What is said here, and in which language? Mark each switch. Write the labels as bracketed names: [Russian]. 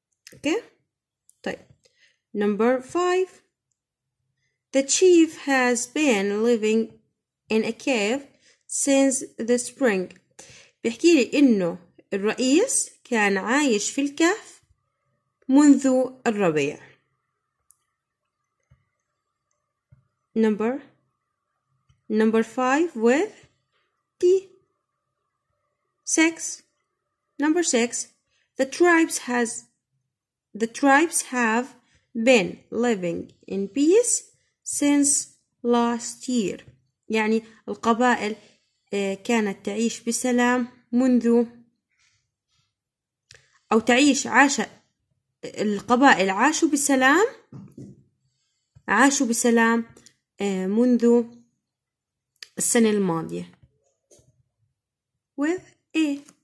[English] okay [Arabic] طيب [English] number five the chief has been living in a cave since the spring [Arabic] بيحكي لي إنه الرئيس كان عايش في الكهف منذ الربيع [English] Number 5 with T. 6. Number 6. The tribes have been living in peace since last year. [Arabic] يعني القبائل كانت تعيش بسلام منذ أو تعيش عاش القبائل عاشوا بسلام منذ السنة الماضية [English] with A